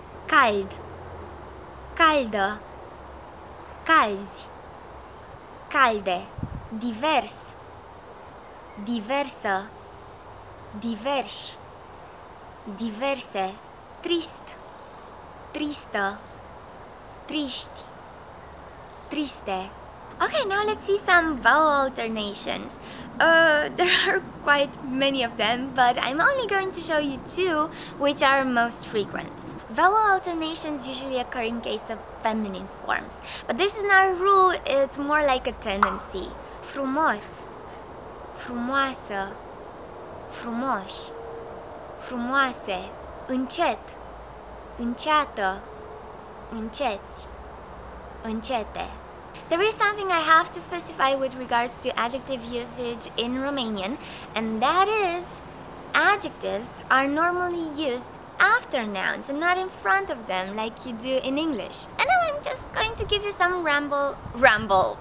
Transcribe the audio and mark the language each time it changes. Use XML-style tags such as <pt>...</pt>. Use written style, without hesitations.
<ro>Cald, caldă, calzi, calde. Divers, diversă, diversi, diverse. Trist, tristă, triști, triste.</ro> <en>Okay, now let's see some vowel alternations. There are quite many of them, but I'm only going to show you two which are most frequent. Vowel alternations usually occur in case of feminine forms, but this is not a rule, it's more like a tendency.</en> <ro>Frumos, frumoasă, frumoși, frumoase. Încet, înceată, înceți, încete.</ro> <en>There is something I have to specify with regards to adjective usage in Romanian, and that is, adjectives are normally used after nouns and not in front of them like you do in English. And now I'm just going to give you some ramble.</en>